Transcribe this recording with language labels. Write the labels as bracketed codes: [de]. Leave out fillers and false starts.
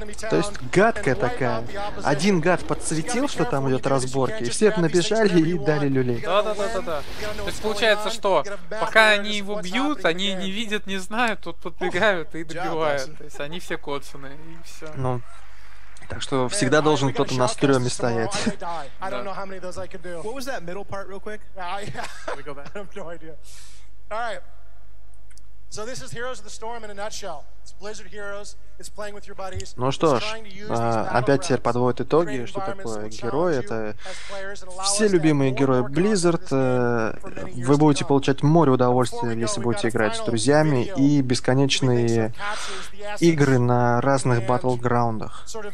[ru] То есть, гадкая такая. Один гад подсветил, что там идет разборки, и все набежали и дали люлей. Да. То есть, получается, что пока они его бьют, они не видят, не знают, тут подбегают и добивают. То есть они все коцаны, и все. Ну, так что всегда должен кто-то на стрёме стоять. [en] I don't know how many of those I could do. What was that middle part real quick? We go back. I have no idea. All right. So this is Heroes of the Storm in a nutshell. It's Blizzard Heroes. It's playing with your buddies. [ru] Ну что ж, опять теперь подводят итоги, что такое герой. Это все любимые герои Blizzard. Вы будете получать море удовольствия, если будете играть с друзьями, и бесконечные игры на разных батлграундах.